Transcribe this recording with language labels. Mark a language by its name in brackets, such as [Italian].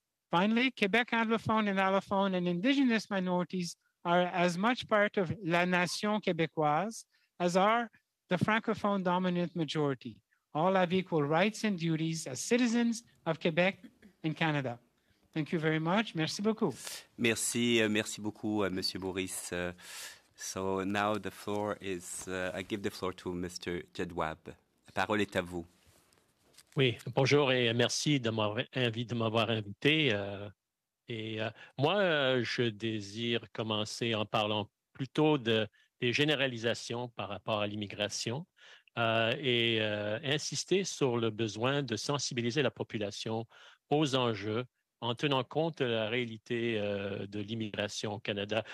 [English] Finally, Quebec anglophone and indigenous minorities are as much part of la nation québécoise as are the francophone dominant majority. All have equal rights and duties as citizens of Quebec and Canada. Thank you very much. [French] Merci beaucoup. Merci beaucoup, Monsieur Boris. [English] So now the floor is, I give the floor to Mr. [French] Djedwab. La parole est à vous. Oui, bonjour et merci de m'avoir invité. Je désire commencer en parlant plutôt des généralisations par rapport à l'immigration insister sur le besoin de sensibiliser la population aux enjeux en tenant compte de la réalité de l'immigration au Canada.